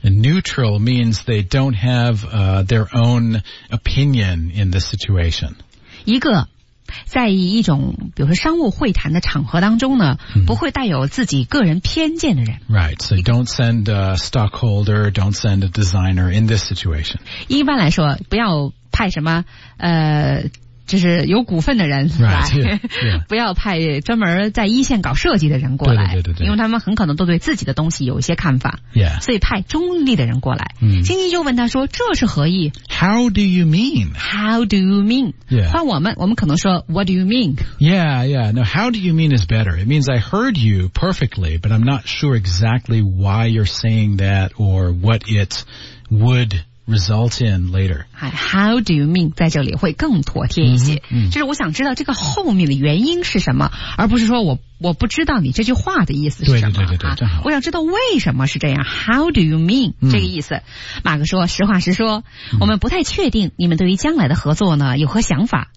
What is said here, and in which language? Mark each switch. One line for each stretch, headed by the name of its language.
English: Neutral means they don't have, their own opinion in this situation.
Chinese: 一个在一种比如说商务会谈的场合当中呢、 mm-hmm. 不会带有自己个人偏见的人
English: Right, so don't send a stockholder, don't send a designer in this situation
Chinese: 一般来说不要派什么就是有股份的人
English: Right, yeah, yeah.
Chinese: 不要派专门在一线搞设计的人过来对对对对对因为他们很可能都对自己的东西有一些看法
English: Yeah
Chinese: 所以派中立的人过来晶晶、 mm. 就问他说这是何意
English: How do you mean? How do you mean? Yeah
Chinese: 换我们可能说
English: What do you mean? Yeah, yeah No, how do you mean is better It means I heard you perfectly But I'm not sure exactly why you're saying that Or what it would beresult in later. How do you mean?
Chinese: 在这里会更妥帖一些。 Mm-hmm. 就是我想知道这个后面的原因是什么，而不是说我不知道你这句话的意思是什么。对对对对对，正好。我想知道为什么是这样。
English: How do you mean?、 Mm-hmm.
Chinese: 这个意思。马克说，实话实说，我们不太确定你们对于将来的合作呢有何想法。